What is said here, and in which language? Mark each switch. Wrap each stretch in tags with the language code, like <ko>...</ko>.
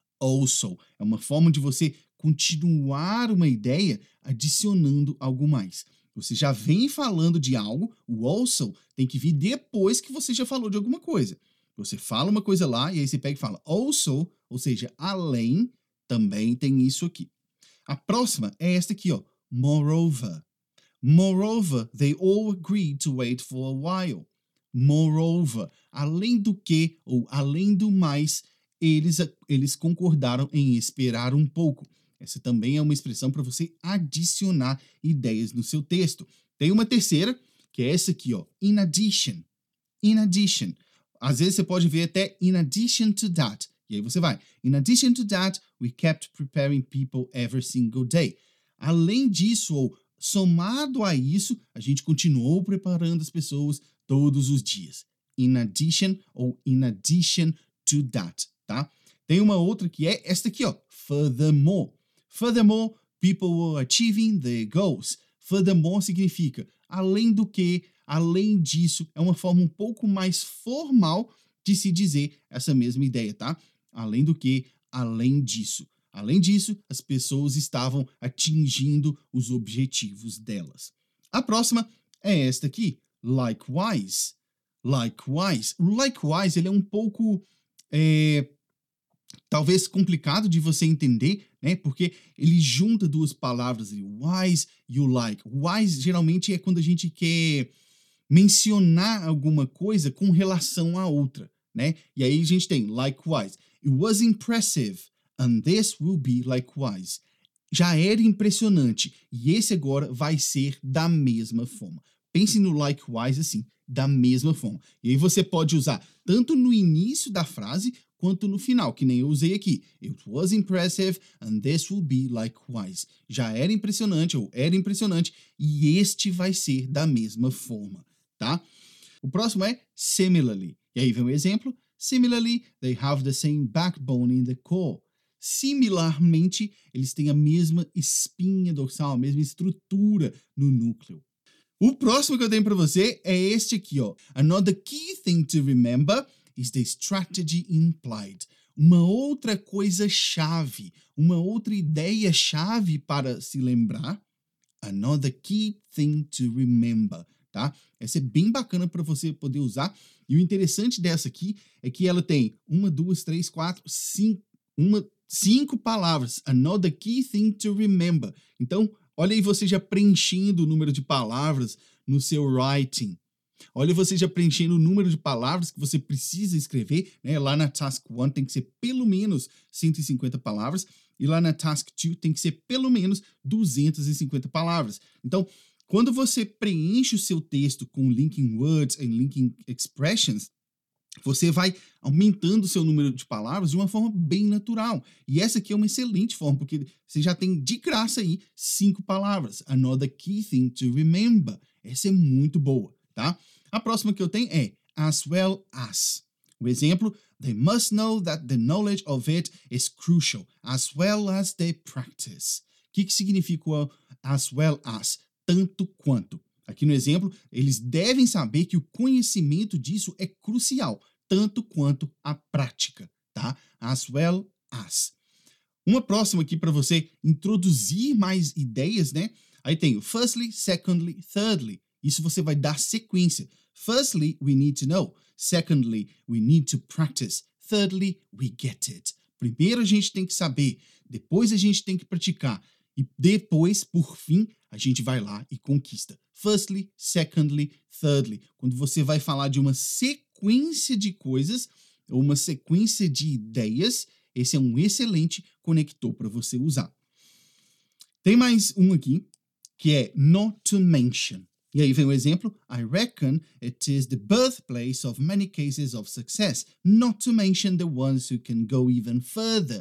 <pt>Also, é uma forma de você continuar uma ideia adicionando algo mais. Você já vem falando de algo, o also tem que vir depois que você já falou de alguma coisa. Você fala uma coisa lá e aí você pega e fala also, ou seja, além, também tem isso aqui. A próxima é esta aqui, ó. Moreover.</pt> <en>Moreover, they all agreed to wait for a while.</en> <pt>Moreover, além do que ou além do mais, eles concordaram em esperar um pouco. Essa também é uma expressão para você adicionar ideias no seu texto. Tem uma terceira, que é essa aqui, ó.</pt> <en>In addition. In addition.</en> <pt>Às vezes você pode ver até</pt> <en>in addition to that.</en> <pt>E aí você vai.</pt> <en>In addition to that, we kept preparing people every single day.</en> <pt>Além disso, ou somado a isso, a gente continuou preparando as pessoas todos os dias.</pt> <en>In addition ou in addition to that, tá?</en> <pt>Tem uma outra que é esta aqui, ó.</pt> <en>Furthermore. Furthermore, people were achieving their goals.</en> <pt>Furthermore significa além do que, além disso. É uma forma um pouco mais formal de se dizer essa mesma ideia, tá? Além do que, além disso. Além disso, as pessoas estavam atingindo os objetivos delas. A próxima é esta aqui, likewise. Likewise. Likewise, ele é um pouco, talvez complicado de você entender, né? Porque ele junta duas palavras ali, wise e o like. Wise geralmente é quando a gente quer mencionar alguma coisa com relação à outra, né? E aí a gente tem likewise.</pt> <en>It was impressive and this will be likewise.</en> <pt>Já era impressionante e esse agora vai ser da mesma forma. Pense no likewise assim, da mesma forma. E aí você pode usar tanto no início da frase quanto no final, que nem eu usei aqui.</pt> <en>It was impressive and this will be likewise.</en> <pt>Já era impressionante ou era impressionante e este vai ser da mesma forma, tá? O próximo é similarly. E aí vem um exemplo.</pt> <en>Similarly, they have the same backbone in the core.</en> <pt>Similarmente, eles têm a mesma espinha dorsal, a mesma estrutura no núcleo. O próximo que eu tenho para você é este aqui, ó.</pt> <en>Another key thing to remember is the strategy implied.</en> <pt>Uma outra coisa chave, uma outra ideia chave para se lembrar.</pt> <en>Another key thing to remember,</en> <pt>tá? Essa é bem bacana para você poder usar. E o interessante dessa aqui é que ela tem uma, duas, três, quatro, cinco, cinco palavras.</pt> <en>Another key thing to remember.</en> <pt>Então, olha aí você já preenchendo o número de palavras no seu writing. Olha você já preenchendo o número de palavras que você precisa escrever, né? Lá na Task 1 tem que ser pelo menos 150 palavras. E lá na Task 2 tem que ser pelo menos 250 palavras. Então, quando você preenche o seu texto com</pt> <en>linking words and linking expressions,</en> <pt>você vai aumentando o seu número de palavras de uma forma bem natural. E essa aqui é uma excelente forma, porque você já tem de graça aí cinco palavras.</pt> <en>Another key thing to remember.</en> <pt>Essa é muito boa, tá? A próxima que eu tenho é as well as. O exemplo,</pt> <en>they must know that the knowledge of it is crucial, as well as they practice.</en> <pt>O que significa as well as? Tanto quanto. Aqui no exemplo, eles devem saber que o conhecimento disso é crucial, tanto quanto a prática, tá? As well as. Uma próxima aqui para você introduzir mais ideias, né? Aí tem o firstly, secondly, thirdly. Isso você vai dar sequência.</pt> <en>Firstly, we need to know. Secondly, we need to practice. Thirdly, we get it.</en> <pt>Primeiro a gente tem que saber, depois a gente tem que praticar. E depois, por fim, a gente vai lá e conquista. Firstly, secondly, thirdly. Quando você vai falar de uma sequência de coisas, ou uma sequência de ideias, esse é um excelente conector para você usar. Tem mais um aqui, que é not to mention. E aí vem o exemplo,</pt> <en>I reckon it is the birthplace of many cases of success, not to mention the ones who can go even further.</en>